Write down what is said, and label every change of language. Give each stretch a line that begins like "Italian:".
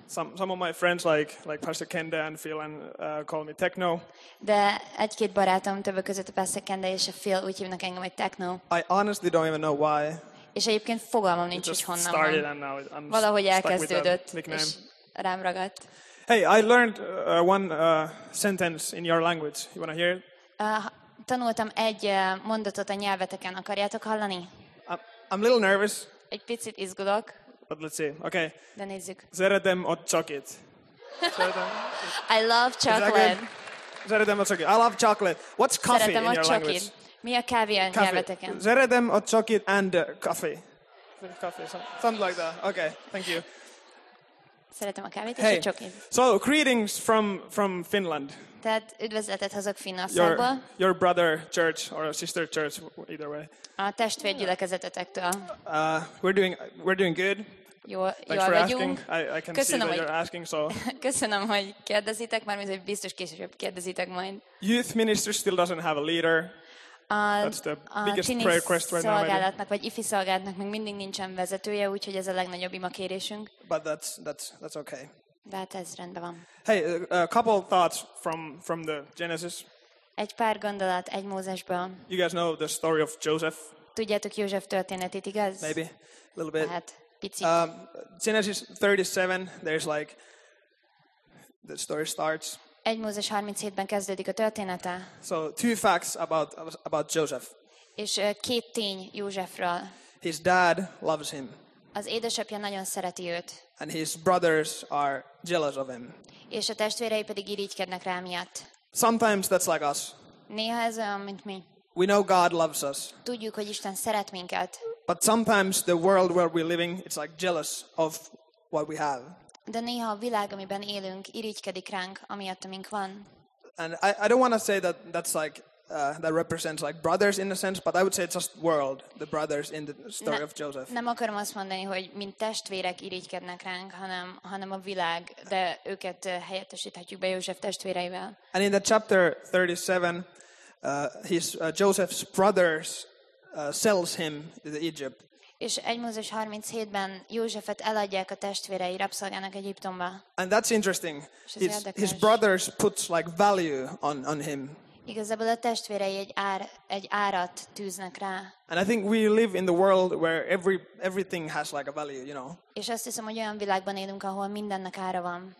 English: Some of my friends like Pastor Kenda and Phil and call me Techno.
Hungarian: De egy-két barátom többek között a Pastor Kenda és a Phil úgy hívnak engem, hogy Techno.
English: I honestly don't even know why.
Hungarian: És egyébként fogalmam nincs, hogy honnan van. Valahogy elkezdődött, és rám ragadt.
English: Hey, I learned one sentence in your language. You want to hear it?
Hungarian: Tanultam egy mondatot a nyelveteken. Akarjátok hallani?
English: I'm a little nervous.
Hungarian: Egy picit izgulok.
English: But let's see. Okay.
Hungarian: De nézzük. Szeretem a csokit.
English: I love chocolate.
Hungarian: Szeretem a csokit.
English: I love chocolate. What's coffee in your language?
Hungarian: Mi a kávé a nyelveteken? Szeretem a csokit
English: and coffee. Coffee, something like that. Okay, thank you.
Hungarian: Szeretem a kávét és a csokit.
English: So, greetings from Finland.
Hungarian: Tehát üdvözletet hozok Finnországba.
English: Your brother church or sister church, either way.
Hungarian: A testvér gyülekezetetektől.
English: We're doing good.
Hungarian: Jól vagyunk.
English: I can see that you're asking, so.
Hungarian: Köszönöm, hogy kérdezitek, mármint hogy biztos később kérdezitek majd.
English: Youth ministry still doesn't have a leader. That's the biggest prayer request right now.
Hungarian: Szolgálatnak vagy ifi szolgálatnak még mindig nincsen vezetője, úgyhogy ez a legnagyobb ima kérésünk.
English: But that's okay. That is
Hungarian: rendben van.
English: Hey, a couple of thoughts from the Genesis.
Hungarian: Egy pár gondolat egy Mózesből.
English: You guys know the story of Joseph?
Hungarian: Tudjátok József történetét, igaz?
English: Maybe a little bit.
Hungarian: Lehet, picit.
English: Genesis 37, there's like the story starts.
Hungarian: Egy Mózes 37-ben kezdődik a története.
English: So two facts about Joseph.
Hungarian: És két tény Józsefről.
English: His dad loves him.
Hungarian: Az édesapja nagyon szereti őt.
English: And his brothers are jealous of him.
Hungarian: És a testvérei pedig irigykednek rá miatt.
English: Sometimes that's like us.
Hungarian: Néha ez olyan, mint mi.
English: We know God loves us.
Hungarian: Tudjuk, hogy Isten szeret minket.
English: But sometimes the world where we're living, it's like jealous of what we have.
Hungarian: De néha a világ, amiben élünk, irigykedik ránk, amiatt, amink van.
English: And I don't want to say that that's like that represents like brothers in a sense, but I would say it's just world, the brothers in the story of Joseph.
Hungarian: Nem akarom azt mondani, hogy mint testvérek irigykednek ránk, hanem a világ, de őket helyettesíthetjük be József testvéreivel.
English: And in the chapter 37, Joseph's brothers sells him to Egypt.
Hungarian: És egy Mózes 37-ben Józsefet eladják a testvérei rabszolgának Egyiptomba.
English: And that's interesting. His brothers put like value on him.
Hungarian: Igazából a testvérei egy árat tűznek rá.
English: And I think we live in the world where everything has like a value, you know.
Hungarian: És azt hiszem, hogy olyan világban élünk, ahol mindennek ára van.